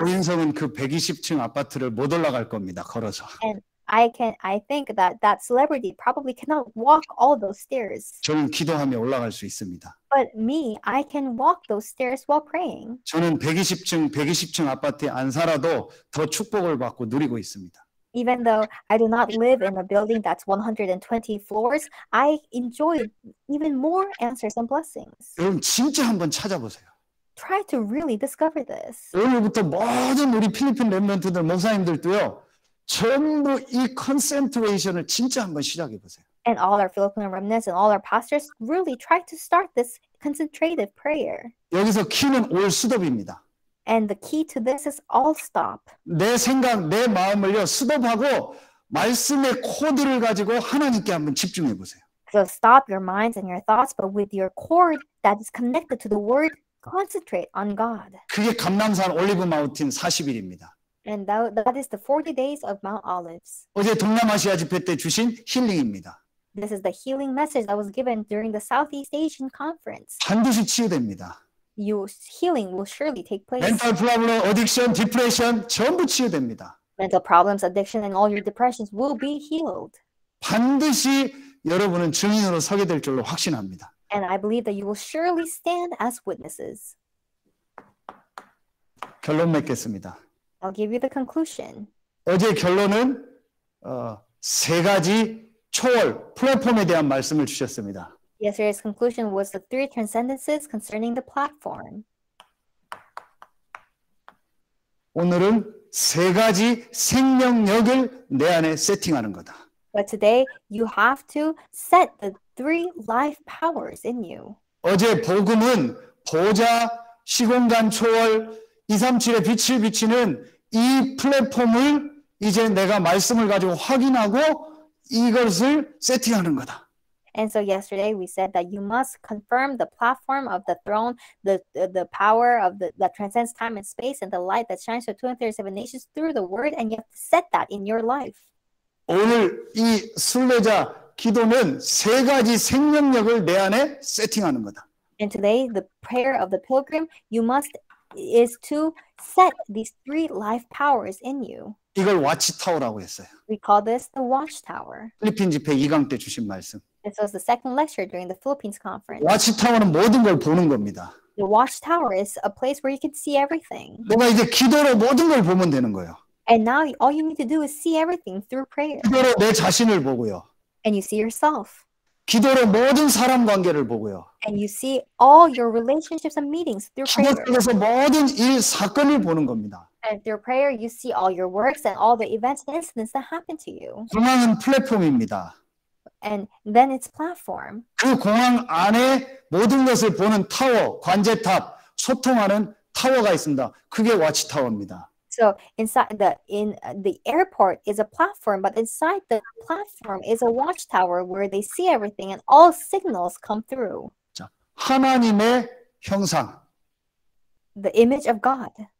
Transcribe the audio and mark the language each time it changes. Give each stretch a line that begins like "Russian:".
Korean: 조인성은 그 120층 아파트를 못 올라갈 겁니다. 걸어서.
English: And I think that celebrity probably cannot walk all those stairs.
Korean: 저는 기도하며 올라갈 수 있습니다.
English: But me, I can walk those stairs while praying.
Korean: 저는 120층 아파트에 안 살아도 더 축복을 받고 누리고 있습니다.
English: Even though I do not live in a building that's 120 floors, I enjoy even more answers and blessings.
Korean: 여러분 진짜 한번 찾아보세요.
English: Try to really discover this.
Korean: 오늘부터 모든 우리 필리핀 렘넌트들 목사님들도요, 전부 이 컨센트레이션을 진짜 한번 시작해 보세요.
English: And all our Filipino remnants and all our pastors really try to start this concentrated prayer.
Korean: 여기서 키는 올 수답입니다.
English: And the key to this is all stop.
Korean: 내 생각, 내 마음을요, 스톱하고 말씀의 코드를 가지고 하나님께 한번 집중해 보세요.
English: So stop your minds and your thoughts, but with your cord that is connected to the word, concentrate on God.
Korean: 그게 감람산 올리브 마운틴 40일입니다.
English: And that is the 40 days of Mount Olives.
Korean: 어제 동남아시아 집회 때 주신 힐링입니다.
English: This is the healing message that was given during the Southeast Asian Conference.
Korean: 반드시 치유됩니다.
English: Your healing will surely take place. Mental problems, addiction, depression,
Korean: 전부 치유됩니다.
English: Mental problems, addiction, and all your depressions will be healed.
Korean: 반드시 여러분은 증인으로 서게 될 줄로 확신합니다.
English: And I believe that you will surely stand as witnesses.
Korean: 결론 맺겠습니다.
English: I'll give you the conclusion.
Korean: 어제 결론은 세 가지 초월 플랫폼에 대한 말씀을 주셨습니다.
English: Yesterday's conclusion was the three transcendences concerning the platform.
Korean: 오늘은 세 가지 생명력을 내 안에 세팅하는 거다.
English: But today you have to set the three life powers in you.
Korean: 어제 복음은 보좌, 시공간 초월, 237의 빛을 비치는 이 플랫폼을 이제 내가 말씀을 가지고 확인하고 이것을 세팅하는 거다.
English: And so yesterday we said that you must confirm the platform of the throne, the power of that transcends time and space, and the light that shines to 237 nations through the word, and you have to set that in your life.
Korean: 오늘 이 순례자 기도는 세 가지 생명력을 내 안에 세팅하는 거다.
English: And today the prayer of the pilgrim is to set these three life powers in you.
Korean: 이걸 watchtower라고 했어요.
English: We call this the watchtower.
Korean: 필리핀 집회 2강 때 주신 말씀.
English: This was the second lecture during the Philippines conference.
Korean: Watchtower는 모든 걸 보는 겁니다.
English: The watchtower is a place where you can see everything.
Korean: 내가 이제 기도로 모든 걸 보면 되는 거예요.
English: And now all you need to do is see everything through prayer.
Korean: 기도로 내 자신을 보고요.
English: And you see yourself.
Korean: 기도로 모든 사람 관계를 보고요.
English: And you see all your relationships and meetings through prayer.
Korean: 기도 속에서 모든 일 사건을 보는 겁니다.
English: And through prayer, you see all your works and all the events and incidents that happen to you.
Korean: 공항은 플랫폼입니다.
English: And then its platform.
Korean: 그 공항 안에 모든 것을 보는 타워, 관제탑, 소통하는 타워입니다. 타워가 있습니다. 그게 와치타워입니다.
English: So inside the in the airport is a platform, but inside the platform is a watchtower where they see everything and all signals come through.
Korean: 자, 하나님의 형상.
English: The image of God.